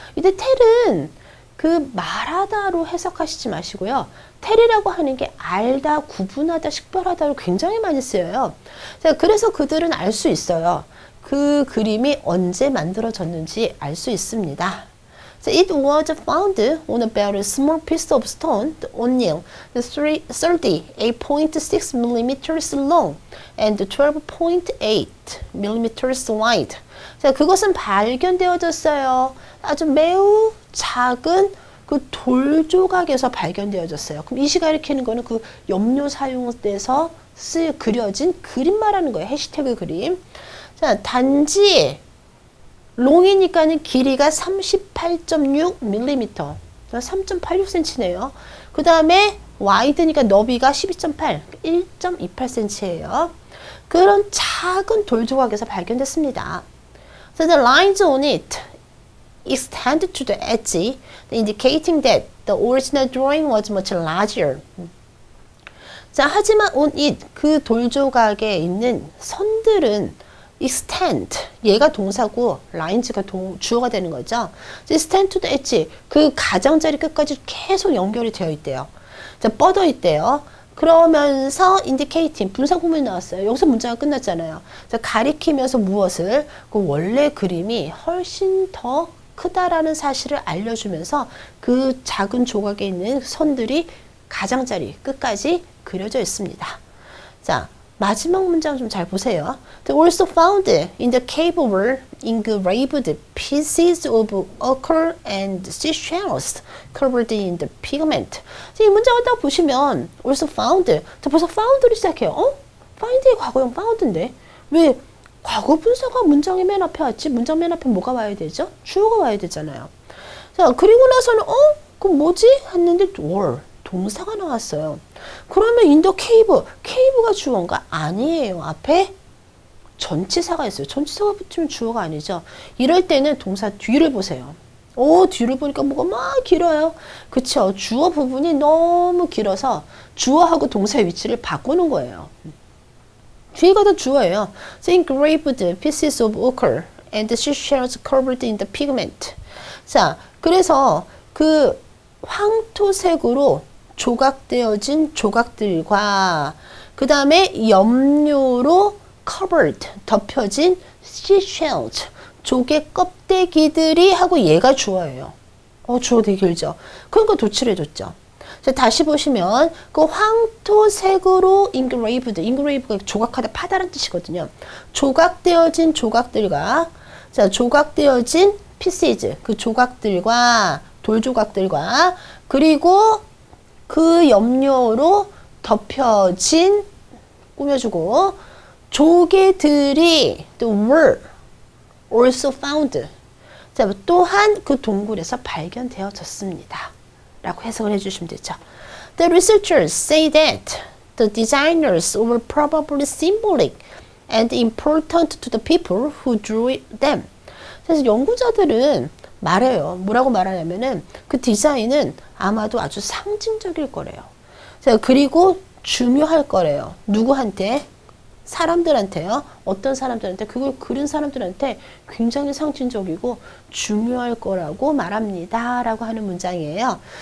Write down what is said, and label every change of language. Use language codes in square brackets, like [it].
[ko] 이때 tell은 그 말하다로 해석하시지 마시고요. 텔이라고 하는 게 알다, 구분하다, 식별하다로 굉장히 많이 쓰여요. 자, 그래서 그들은 알수 있어요. 그 그림이 언제 만들어졌는지 알수 있습니다. [en] So it was found on about a small piece of stone, only 38.6 mm long and 12.8 mm wide. [ko] 자, 그것은 발견되어졌어요. 아주 매우 작은 그돌 조각에서 발견되어졌어요. 그럼 이 시가 이렇게는 거는 그 염료 사용돼서 그려진 그림 말하는 거예요. 해시태그 그림. 자, 단지 롱이니까는 길이가 38.6 mm. 3.86cm네요. 그 다음에 와이드니까 너비가 12.8, 1.28cm예요. 그런 작은 돌 조각에서 발견됐습니다. [en] So the lines on it extend to the edge, indicating that the original drawing was much larger. [ko] 자, 하지만 on it, 그돌 조각에 있는 선들은 extend, 얘가 동사고 lines가 주어가 되는 거죠. extend to the edge, 그 가장자리 끝까지 계속 연결이 되어 있대요. 자, 뻗어 있대요. 그러면서 indicating, 분사 구문이 나왔어요. 여기서 문장이 끝났잖아요. 자, 가리키면서 무엇을, 그 원래 그림이 훨씬 더 크다라는 사실을 알려주면서 그 작은 조각에 있는 선들이 가장자리 끝까지 그려져 있습니다. 자, 마지막 문장 좀잘 보세요. [en] They also found in the cave were engraved pieces of ochre and seashells covered in the pigment. [ko] 이 문장을 딱 보시면 also found. 자, 벌써 found로 시작해요. 어? find의 과거형 found인데 왜 과거 분사가 문장의 맨 앞에 왔지? 문장 맨 앞에 뭐가 와야 되죠? 주어가 와야 되잖아요. 자, 그리고 나서는 어? 그럼 뭐지? 했는데 were. 동사가 나왔어요. 그러면 in the cave, cave가 주어인가? 아니에요. 앞에 전치사가 있어요. 전치사가 붙으면 주어가 아니죠. 이럴 때는 동사 뒤를 보세요. 오, 뒤를 보니까 뭐가 막 길어요. 그쵸? 주어 부분이 너무 길어서 주어하고 동사의 위치를 바꾸는 거예요. 뒤에가 더 주어예요. [en] So, engraved pieces of ochre and seashells covered in the pigment. [ko] 자, 그래서 그 황토색으로 조각되어진 조각들과 그 다음에 염료로 covered, 덮여진 seashells, 조개 껍데기들이 하고 얘가 주어예요. 주어 되게 길죠? 그러니까 도출해줬죠. 자, 다시 보시면 그 황토색으로 engraved, engraved가 조각하다 파다란 뜻이거든요. 조각되어진 조각들과 자, 조각되어진 pieces, 그 조각들과 돌 조각들과 그리고 그 염료로 덮여진, 꾸며주고, 조개들이, the were, also found. 자, 또한 그 동굴에서 발견되어졌습니다. 라고 해석을 해주시면 되죠. [en] The researchers say that the designers were probably symbolic and important to the people who drew them. [ko] 그래서 연구자들은 말해요. 뭐라고 말하냐면은 그 디자인은 아마도 아주 상징적일 거래요. 자, 그리고 중요할 거래요. 누구한테? 사람들한테요. 어떤 사람들한테? 그걸 그린 사람들한테 굉장히 상징적이고 중요할 거라고 말합니다라고 하는 문장이에요.